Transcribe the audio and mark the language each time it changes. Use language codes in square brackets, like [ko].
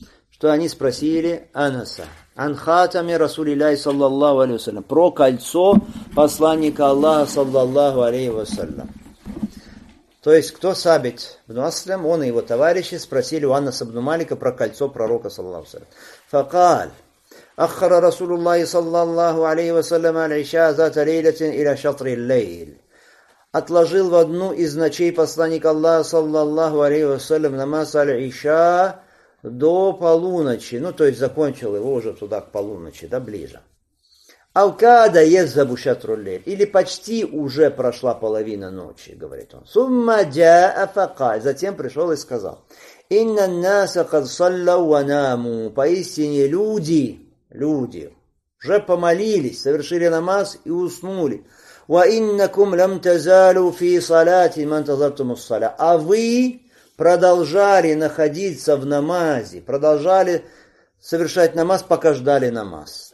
[ru] Что они спросили Анаса. [ar] Анхатами Расулилляхи [ru] саллаллаху алейхи ва саллям. Про кольцо посланника Аллаха саллаллаху алейхи ва саллям. То есть, кто Сабит бн Аслам, он и его товарищи спросили у Анаса бн Малика про кольцо пророка саллаллаху алейхи ва саллям. [ar] Факаль. أخر رسول الله صلى الله عليه وسلم العشاء ذات ليلة إلى شطر الليل. [ru] Отложил в одну из ночей посланник Аллаха صلى الله عليه وسلم намаз العشاء до полуночи. Ну, то есть закончил его уже туда к полуночи, да, ближе. [ar] Алкада يذهب شطر الليل. [ru] Или почти уже прошла половина ночи, говорит он. [ar] ثم جاء فقال. [ru] Затем пришел и сказал: [ar] إن الناس قد صلوا وناموا. [ru] Поистине люди люди уже помолились, совершили намаз и уснули. [ar] «Ва иннакум лям тазалю фи салати ман тазартуму ссаля». [ru] А вы продолжали находиться в намазе, продолжали совершать намаз, пока ждали намаз.